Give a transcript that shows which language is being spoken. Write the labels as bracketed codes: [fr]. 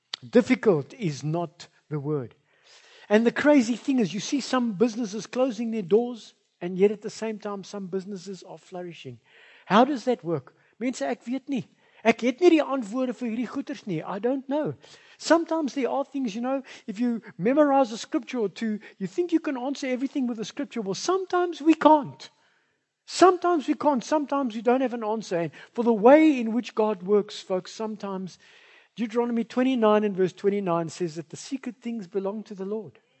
[en] Difficult is not the word. And the crazy thing is, you see some businesses closing their doors, and yet at the same time, some businesses are flourishing. How does that work? [af] Mense, ek weet nie. Ek het nie die antwoorde vir hierdie goeters nie. [en] I don't know. Sometimes there are things, you know, if you memorize a scripture or two, you think you can answer everything with a scripture. Well, sometimes we can't. Sometimes we can't. Sometimes we don't have an answer. And for the way in which God works, folks, sometimes Deuteronomy 29 and verse 29 says that the secret things belong to the Lord.